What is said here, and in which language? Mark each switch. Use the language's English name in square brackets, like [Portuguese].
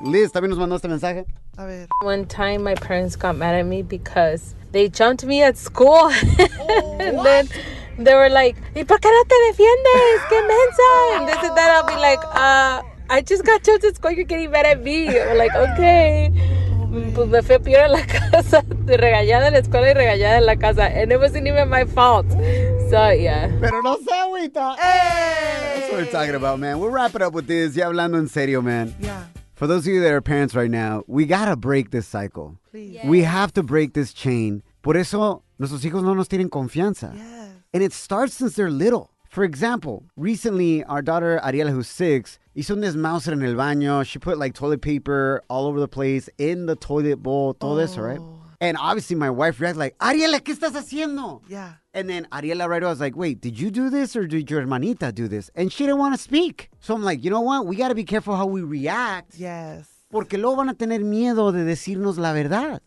[Spanish] Liz, también nos mandó este mensaje. A ver. [English] One time my parents got mad at me because they jumped me at school. And then they were like, [Spanish] ¿y por qué no te defiendes? ¡Qué mensa! [English] And this and that, I'll be like, I just got jumped at school. You're getting mad at me. And we're like, okay. [Spanish] Pues me fui a pillar a la casa, regañada en la escuela y regañada en la casa. [English] And it wasn't even my fault. So, yeah. [Spanish] Pero no se agüita. Hey! [English] That's what we're talking about, man. We'll wrap it up with this. [Spanish] Ya hablando en serio, [English] man. Yeah. For those of you that are parents right now, we gotta break this cycle. Please. Yes. We have to break this chain. [Spanish] Por eso, nuestros hijos no nos tienen confianza. [English] Yes. And it starts since they're little. For example, recently, our daughter, Ariela, who's 6, [Spanish] hizo un desmouse en el baño. [English] She put, like, toilet paper all over the place in the toilet bowl, [Spanish] todo eso, [English] right? And obviously my wife reacts like, Ariela, [Spanish] ¿qué estás haciendo? [English] Yeah. And then Ariela right away was like, wait, did you do this or did your hermanita do this? And she didn't want to speak. So I'm like, you know what? We got to be careful how we react. Yes. [Spanish] Porque luego van a tener miedo de decirnos la verdad.